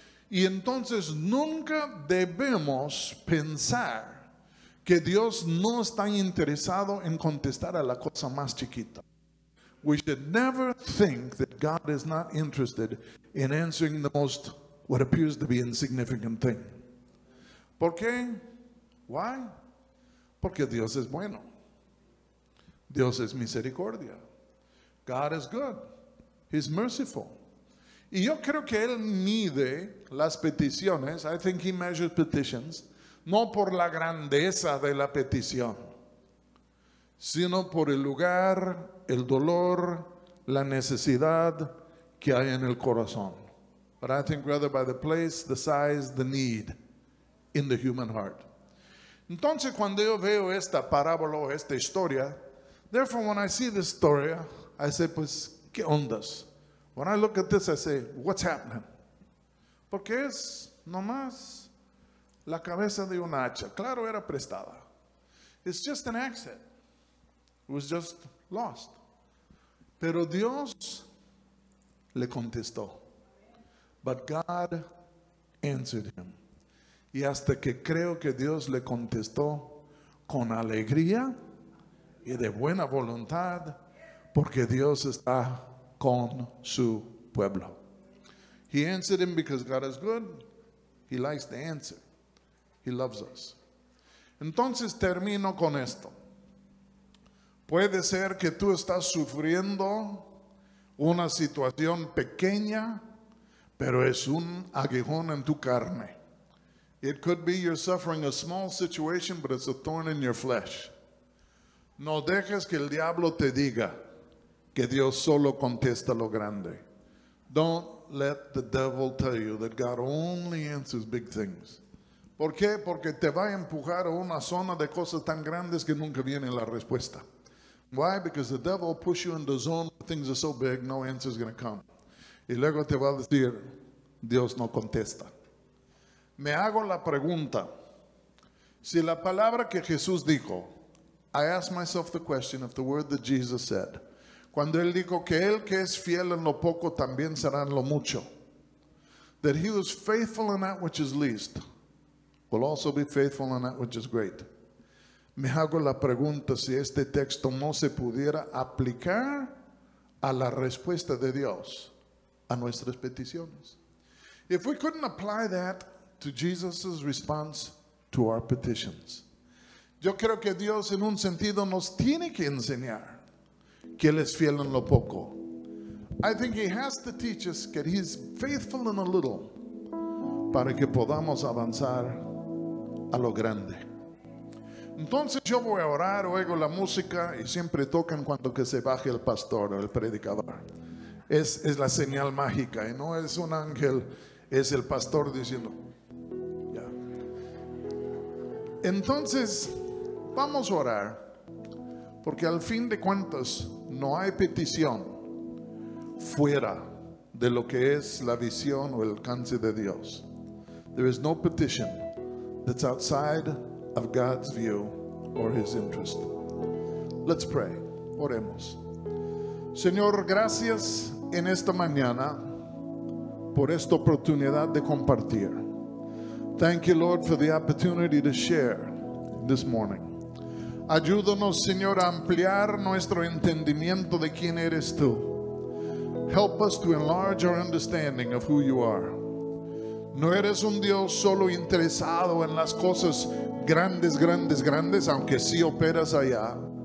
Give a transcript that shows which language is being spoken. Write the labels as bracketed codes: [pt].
[es] Y entonces nunca debemos pensar que Dios no está interesado en contestar a la cosa más chiquita. [en] We should never think that God is not interested in answering the most, what appears to be insignificant thing. [es] ¿Por qué? [en] Why? [es] Porque Dios es bueno. Dios es misericordia. [en] God is good. He's merciful. [es] Y yo creo que él mide las peticiones, [en] I think he measures petitions, [es] no por la grandeza de la petición, sino por el lugar, el dolor, la necesidad que hay en el corazón. [en] But I think rather by the place, the size, the need in the human heart. [es] Entonces, cuando yo veo esta parábola o esta historia, [en] therefore when I see this story, I say, [es] pues, ¿qué ondas? [en] When I look at this, I say, what's happening? [es] Porque es nomás la cabeza de una hacha. Claro, era prestada. [en] It's just an accident. It was just lost. [es] Pero Dios le contestó. [en] But God answered him. [es] Y hasta que creo que Dios le contestó con alegría y de buena voluntad, porque Dios está con su pueblo. [en] He answered him because God is good. He likes the answer. He loves us. [es] Entonces termino con esto. Puede ser que tú estás sufriendo una situación pequeña, pero es un aguijón en tu carne. [en] It could be you're suffering a small situation, but it's a thorn in your flesh. [es] No dejes que el diablo te diga que Dios solo contesta lo grande. [en] Don't let the devil tell you that God only answers big things. [es] ¿Por qué? Porque te va a empujar a una zona de cosas tan grandes que nunca viene la respuesta. [en] Why? Because the devil will push you in the zone where things are so big, no answer is going to come. [es] Y luego te va a decir, Dios no contesta. Me hago la pregunta, si la palabra que Jesús dijo, [en] I ask myself the question of the word that Jesus said, [es] cuando él dijo que el que es fiel en lo poco también será en lo mucho, [en] that he who is faithful in that which is least will also be faithful in that which is great. [es] Me hago la pregunta si este texto no se pudiera aplicar a la respuesta de Dios a nuestras peticiones. [en] If we couldn't apply that to Jesus' response to our petitions. [es] Yo creo que Dios en un sentido nos tiene que enseñar que Él es fiel en lo poco. [en] I think He has to teach us that He's faithful in a little [es] para que podamos avanzar a lo grande. Entonces yo voy a orar, oigo la música y siempre tocan cuando que se baje el pastor o el predicador. Es la señal mágica y no es un ángel, es el pastor diciendo ya. Entonces vamos a orar, porque al fin de cuentas no hay petición fuera de lo que es la visión o el alcance de Dios. [en] There is no petition that's outside of God's view or His interest. Let's pray. [es] Oremos. Señor, gracias en esta mañana por esta oportunidad de compartir. [en] Thank you, Lord, for the opportunity to share this morning. [es] Ayúdanos, Señor, a ampliar nuestro entendimiento de quién eres tú. [en] Help us to enlarge our understanding of who you are. [es] No eres un Dios solo interesado en las cosas grandes, grandes, grandes, aunque sí operas allá.